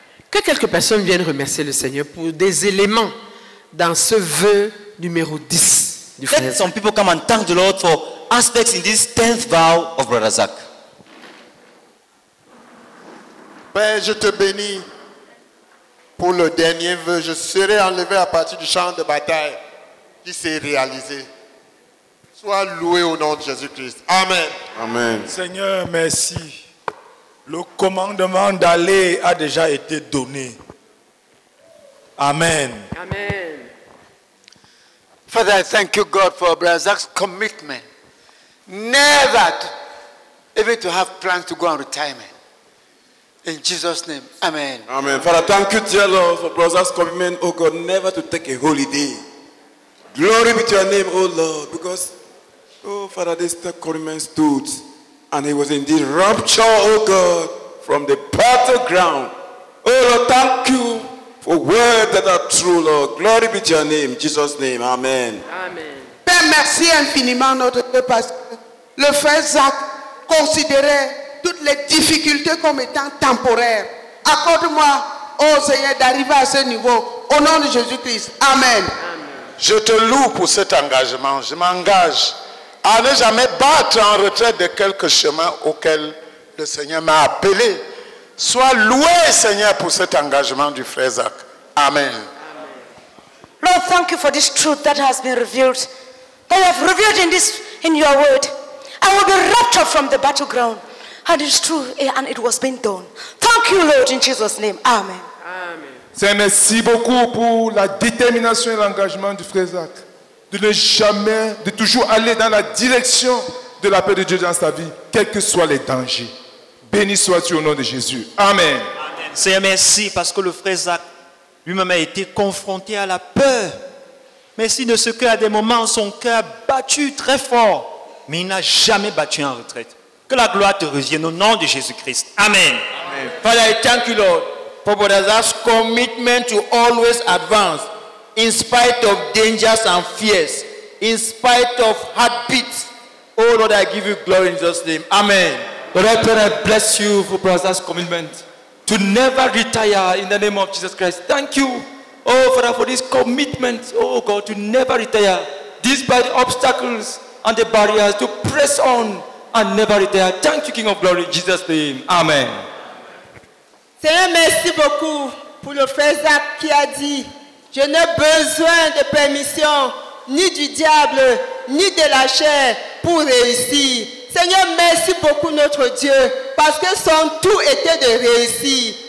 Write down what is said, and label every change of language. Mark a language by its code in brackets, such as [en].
[fr] Que quelques personnes viennent remercier le Seigneur pour des éléments dans ce vœu numéro 10 du frère. [en] Let some people come and thank the Lord for aspects in this 10th vow of Brother Zach. [fr] Père, je te bénis pour le dernier vœu. Je serai enlevé à partir du champ de bataille qui s'est réalisé. Sois loué au nom de Jésus-Christ. Amen. Amen. Seigneur, merci. Le commandement d'aller a déjà été donné. Amen. Amen. [en] Father, I thank you, God, for Brother Zach's commitment. Never to, even to have plans to go on retirement. In Jesus' name, amen. Amen. Father, thank you, dear Lord, for Brother Zach's commitment, oh God, never to take a holiday. Glory be to your name, oh Lord, because, oh Father, this commitment stood. And he was indeed raptured, oh God, from the battleground. Oh Lord, thank you for words that are true, Lord. Glory be to your name, Jesus' name. Amen. Amen. [fr] Père, merci infiniment, notre Dieu, parce que le frère Zach considérait toutes les difficultés comme étant temporaires. Accorde-moi, oh Seigneur, d'arriver à ce niveau. Au nom de Jésus-Christ. Amen. Amen. Je te loue pour cet engagement. Je m'engage à ne jamais battre en retraite de quelques chemins auxquels le Seigneur m'a appelé. Sois loué, Seigneur, pour cet engagement du frère Zach. Amen. Amen. [en] Lord, thank you for this truth that has been revealed. That you have revealed in your word. I will be raptured from the battleground. And it's true, and it was being done. Thank you, Lord, in Jesus' name. Amen. Amen. [fr] Seigneur, merci beaucoup pour la détermination et l'engagement du frère Zach. De ne jamais, de toujours aller dans la direction de la paix de Dieu dans sa vie, quels que soient les dangers. Béni sois-tu au nom de Jésus. Amen. Amen. Seigneur, merci parce que le frère Zach lui-même a été confronté à la peur. Merci de ce qu'à des moments son cœur a battu très fort, mais il n'a jamais battu en retraite. Que la gloire te revienne au nom de Jésus-Christ. Amen. [en] Father, I thank you, Lord, for Brother's commitment to always advance in spite of dangers and fears, in spite of heartbeats. Oh, Lord, I give you glory in Jesus' name. Amen. Lord, I pray and bless you for Brother's commitment to never retire in the name of Jesus Christ. Thank you, oh, Father, for this commitment, oh, God, to never retire despite the obstacles and the barriers, to press on and never retire. Thank you, King of Glory, in Jesus' name. Amen. [fr] Seigneur, merci beaucoup pour le frère Zach qui a dit « Je n'ai besoin de permission ni du diable ni de la chair pour réussir. » Seigneur, merci beaucoup notre Dieu parce que son tout était de réussir.